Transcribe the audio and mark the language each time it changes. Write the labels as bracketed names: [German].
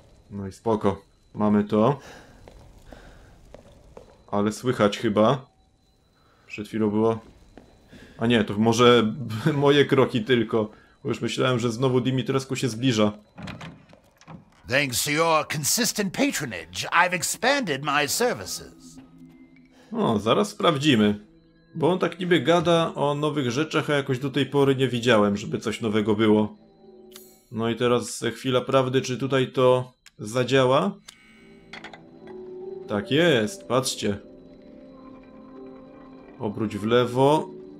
[Polish] No i spoko. Mamy to. Ale słychać chyba. Przed chwilą było... A nie, to może moje kroki tylko. Bo już myślałem, że znowu Dimitrescu się zbliża. [English] Thanks to your consistent patronage, I've expanded my services. [Polish] No, zaraz sprawdzimy. Bo on tak niby gada o nowych rzeczach, a jakoś do tej pory nie widziałem, żeby coś nowego było. No i teraz chwila prawdy, czy tutaj to zadziała? Tak jest, patrzcie. Obróć w lewo.